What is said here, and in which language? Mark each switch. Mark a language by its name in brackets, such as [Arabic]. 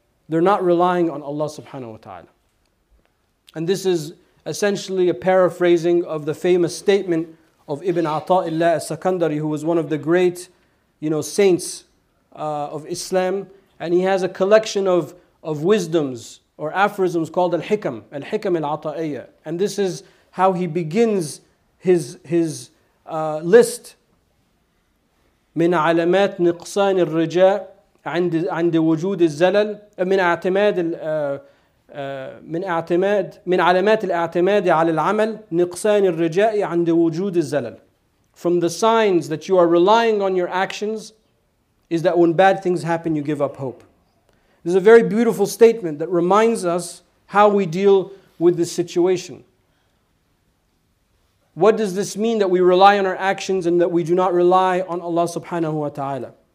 [English] They're not relying on Allah subhanahu wa ta'ala. And this is essentially a paraphrasing of the famous statement of Ibn Ata'illah al-Sakandari, who was one of the great, you know, saints of Islam. And he has a collection of wisdoms or aphorisms called al-Hikam, al-Hikam al-Ata'iyah. And this is how he begins his list. [Arabic] من علامات نقصان الرجاء عند وجود الزلل من علامات الاعتماد على العمل نقصان الرجاء عند وجود الزلل. [English] From the signs that you are relying on your actions is that when bad things happen, you give up hope. This is a very beautiful statement that reminds us how we deal with this situation. What does this mean that we rely on our actions and that we do not rely on Allah subhanahu wa ta'ala?